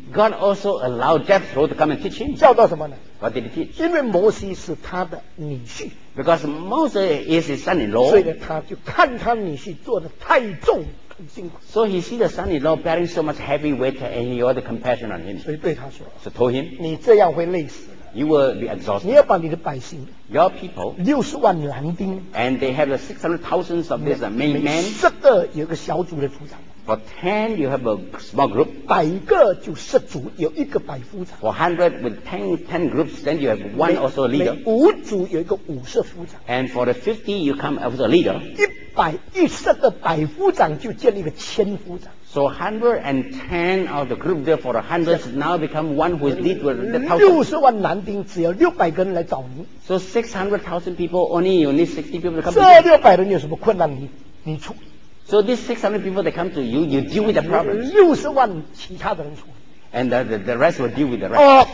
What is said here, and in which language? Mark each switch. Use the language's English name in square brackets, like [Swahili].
[English] God also allowed Jethro to come and teach him. [Chinese] 教导什么呢？ [English] What did he teach? [Chinese] 因为摩西是他的女婿。 [English] Because Moses is his son-in-law. [Chinese] 所以他就看他女婿做得太重。 [English] So he see the son-in-law bearing so much heavy weight and he had the compassion on him. [Chinese] 所以对他说。 [English] So told him. [Chinese] 你这样会累死。 [English] You will be exhausted. [Chinese] 你要把你的百姓。 [English] Your people. [Chinese] 六十万男丁。 [English] And they have 600,000 of these main men. [Chinese] 十个有个小组的组长。 [English] For 10, you have a small group. [Chinese] 百个就十组，有一个百夫长。 [English] For 100, with 10 groups, then you have one also leader. [Chinese] 每五组有一个五十夫长。 [English] And for the 50, you come as a leader. [Chinese] 一十个百夫长就建立一个千夫长。 [English] So 110 of the group there for 100 now become one who is lead with the [Chinese] 60万男丁只要600个人来找你。 [English] So 600,000 people only you need 60 people to come. [Chinese] 这600人有什么困难你处理。 [English] So these 600 people that come to you, you deal with the problem. [Chinese] 60万其他的人处理。 [English] And the rest will deal with the rest.